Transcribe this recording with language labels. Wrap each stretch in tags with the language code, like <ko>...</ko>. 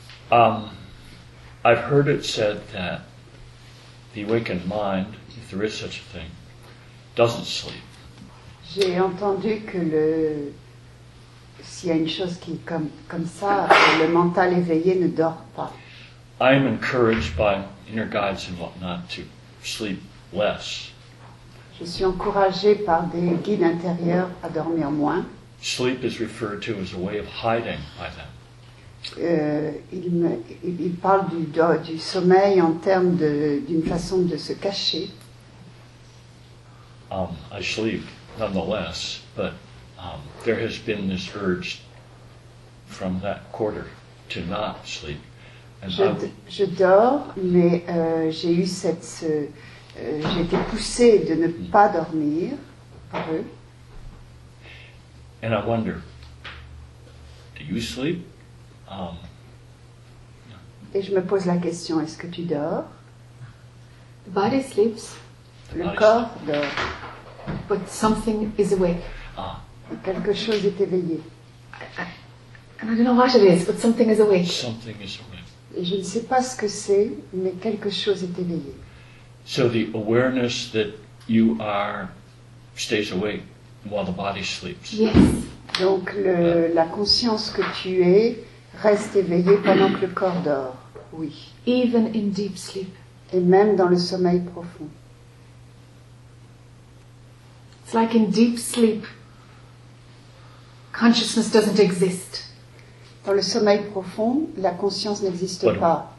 <en>I've heard it said that the awakened mind, if there is such a thing, doesn't sleep.</en> <fr>J'ai entendu que le s'il y a une chose qui comme ça, le mental éveillé ne dort pas.</fr> <en>I am encouraged by inner guides and whatnot to sleep less.</en> <fr>Je suis encouragé par des guides intérieurs à dormir moins.</fr> <en>Sleep is referred to as a way of hiding by them.</en> <fr>Il parle du sommeil en termes d'une façon de se cacher.</fr> <en>I sleep nonetheless, but there has been this urge from that quarter to not sleep.</en> <fr>Je dors, mais j'ai eu j'ai été poussée de ne pas dormir par eux.</fr> <en>And I wonder, do you sleep?</en> <fr>Et je me pose la question, est-ce que tu dors?</fr> <en>The body sleeps.</en> <fr>Le corps dort.</fr> <en>But something is awake.</en> <fr>Quelque chose est éveillé.</fr> <en>And I don't know what it is, but something is awake. Something is awake.</en> <fr>Et je ne sais pas ce que c'est, mais quelque chose est éveillé.</fr> <en>So the awareness that you are stays awake while the body sleeps. Yes.</en> <fr>Donc la conscience que tu es reste éveillé pendant que le corps dort. Oui.</fr> <en>Even in deep sleep.</en> <fr>Et même dans le sommeil profond.</fr> <en>It's like in deep sleep, consciousness doesn't exist.</en> <fr>Dans le sommeil profond, la conscience n'existe pas.</fr>